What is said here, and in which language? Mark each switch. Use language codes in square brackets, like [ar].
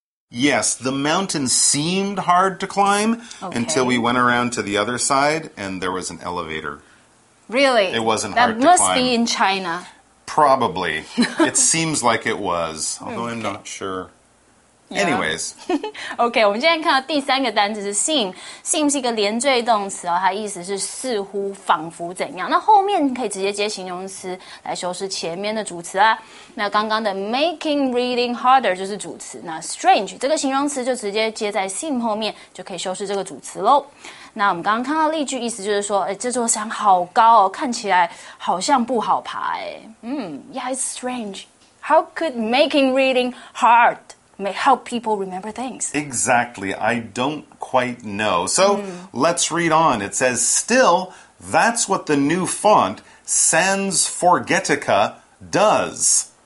[en] Yes, the mountain seemed hard to climb until we went around to the other side and there was an elevator. Really? It wasn't hard to climb. That must be in China. Probably. It seems like it was, although I'm not sure. Anyways. [zh] Okay, 我们今天看到第三个单词是 seem. Seem 是一个连缀动词哦，它意思是似乎、仿佛怎样。那后面可以直接接形容词来修饰前面的主词啊。那刚刚的 [en] making reading harder [zh] 就是主词。那 strange 这个形容词就直接接在 seem 后面，就可以修饰这个主词咯。那我们刚刚看到例句意思就是说，这座山好高哦，看起来好像不好爬哎。 [en] Yeah, it's strange. How could making reading hard may help people remember things? Exactly. I don't quite know. So let's read on. It says, still, that's what the new font, Sans Forgetica, does.